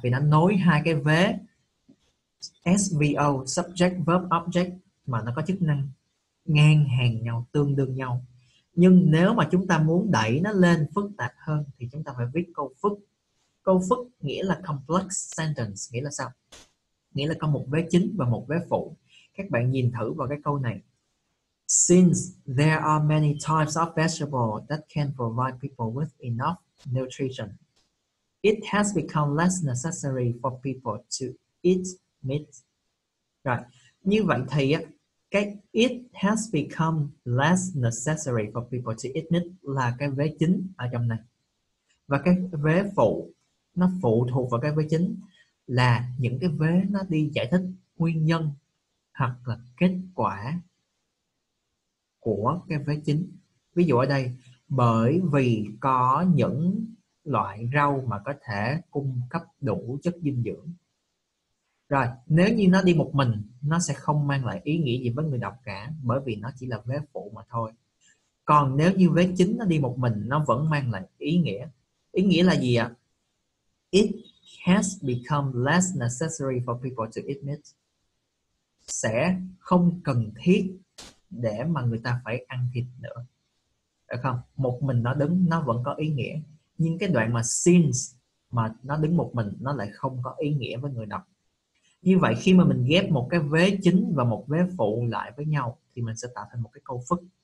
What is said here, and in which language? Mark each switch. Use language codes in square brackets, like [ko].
[vi] Vì nó nối hai cái vế SVO, subject, verb, object, mà nó có chức năng ngang hàng nhau, tương đương nhau. Nhưng nếu mà chúng ta muốn đẩy nó lên phức tạp hơn thì chúng ta phải viết câu phức. Câu phức nghĩa là complex sentence, nghĩa là sao? Nghĩa là có một vế chính và một vế phụ. Các bạn nhìn thử vào cái câu này. [en] Since there are many types of vegetables that can provide people with enough nutrition, it has become less necessary for people to eat meat. [vi] Rồi, như vậy thì cái [en] it has become less necessary for people to eat meat [vi] là cái vế chính ở trong này. Và cái vế phụ, nó phụ thuộc vào cái vế chính là những cái vế nó đi giải thích nguyên nhân hoặc là kết quả của cái vế chính. Ví dụ ở đây, bởi vì có những loại rau mà có thể cung cấp đủ chất dinh dưỡng. Rồi, nếu như nó đi một mình, nó sẽ không mang lại ý nghĩa gì với người đọc cả, bởi vì nó chỉ là vế phụ mà thôi. Còn nếu như vế chính nó đi một mình, nó vẫn mang lại ý nghĩa. Ý nghĩa là gì ạ? [en] It has become less necessary for people to eat meat. [vi] Sẽ không cần thiết để mà người ta phải ăn thịt nữa. Được không? Một mình nó đứng, nó vẫn có ý nghĩa. Nhưng cái đoạn mà since mà nó đứng một mình, nó lại không có ý nghĩa với người đọc. Như vậy khi mà mình ghép một cái vế chính và một vế phụ lại với nhau thì mình sẽ tạo thành một cái câu phức.